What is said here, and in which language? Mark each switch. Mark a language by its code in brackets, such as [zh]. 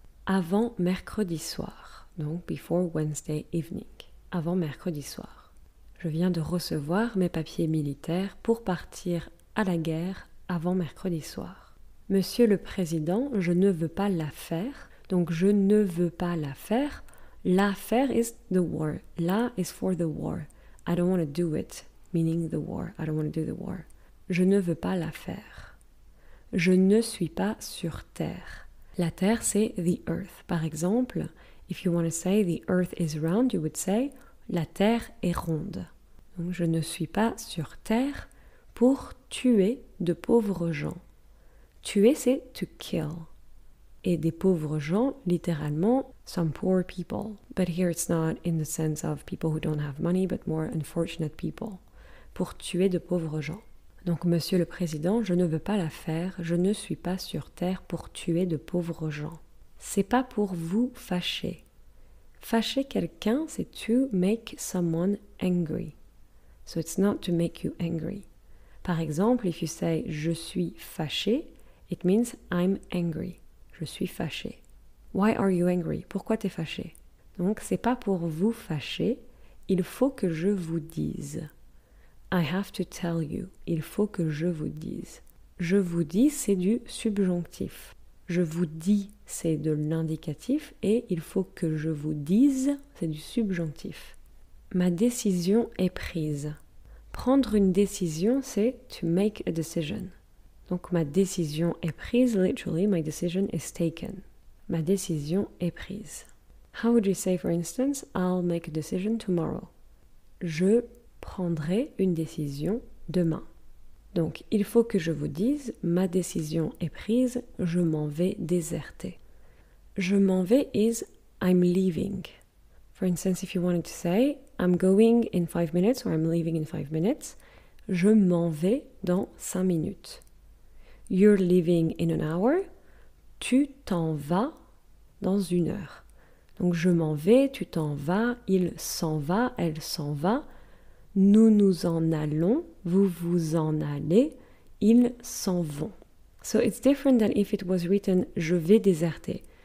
[fr] Avant mercredi soir, donc [en] before Wednesday evening, [fr] avant mercredi soir. Je viens de recevoir mes papiers militaires pour partir à la guerre avant mercredi soir. Monsieur le Président, je ne veux pas la faire, donc je ne veux pas la faire. La faire [en] is the war. La is for the war. I don't want to do it, meaning the war. I don't want to do the war. [fr] Je ne veux pas la faire. Je ne suis pas sur terre. La terre, c'est [en] the earth. [fr] Par exemple, [en] if you want to say the earth is round, you would say [fr] la terre est ronde. Donc, je ne suis pas sur terre pour tuer de pauvres gens. Tuer, c'est [en] to kill. [fr] Et des pauvres gens, littéralement, [en] some poor people. But here it's not in the sense of people who don't have money, but more unfortunate people. [fr] Pour tuer de pauvres gens. Donc, Monsieur le Président, je ne veux pas la faire, je ne suis pas sur terre pour tuer de pauvres gens. C'est pas pour vous fâcher. Fâcher quelqu'un, c'est [en] to make someone angry. So it's not to make you angry. [fr] Par exemple, [en] if you say [fr] je suis fâché, [en] it means I'm angry. [fr] Je suis fâché. [en] Why are you angry? [fr] Pourquoi t'es fâché? Donc, c'est pas pour vous fâcher. Il faut que je vous dise. [en] I have to tell you. [fr] Il faut que je vous dise. Je vous dis, c'est du subjonctif. Je vous dis, c'est de l'indicatif. Et il faut que je vous dise, c'est du subjonctif. Ma décision est prise. Prendre une décision, c'est [en] to make a decision. [fr] Donc, ma décision est prise, [en] literally, my decision is taken. [fr] Ma décision est prise. [en] How would you say, for instance, I'll make a decision tomorrow? [fr] Je prendrai une décision demain. Donc, il faut que je vous dise, ma décision est prise, je m'en vais déserter. Je m'en vais [en] is I'm leaving. For instance, if you wanted to say, I'm going in 5 minutes or I'm leaving in 5 minutes, [fr] je m'en vais dans 5 minutes. [en] You're leaving in an hour. [fr] Tu t'en vas dans 1 heure. Donc, je m'en vais, tu t'en vas, il s'en va, elle s'en va. Nous nous en allons, vous vous en allez, ils s'en vont. [en] So, it's different than if it was written, [fr] je vais déserter.